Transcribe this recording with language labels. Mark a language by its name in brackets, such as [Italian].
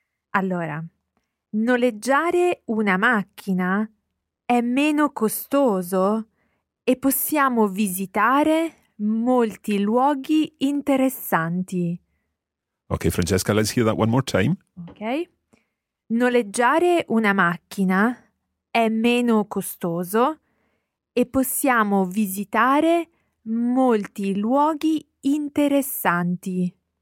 [Italian] Allora, noleggiare una macchina è meno costoso e possiamo visitare molti luoghi interessanti. [English] Okay, Francesca, let's hear that one more time. Okay. [Italian] Noleggiare una macchina è meno costoso e possiamo visitare molti luoghi interessanti.